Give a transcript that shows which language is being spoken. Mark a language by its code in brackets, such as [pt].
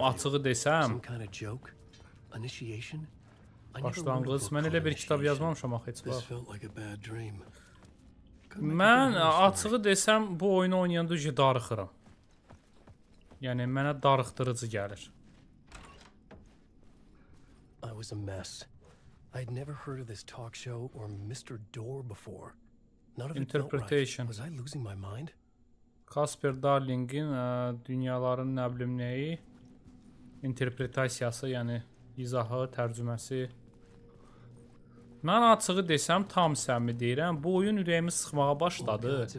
[az] Başlanğız. Mən elə bir kitab yazmamışam axı heç vaxt. Mən açığı desəm bu oyunu oynayanda üzə darıxıram. Yəni mənə darıxdırıcı gəlir. [en] I was a mess. I'd never heard of this talk show or Mr. Door before. Not of interpretation. Was I losing my mind? [az] Casper Darling'in dünyaların nə bilim nəyi interpretasiyası, yəni izahı, tərcüməsi. Mən açığı desəm tam səmimi deyirəm, bu oyun ürəyimi sıxmağa başladı.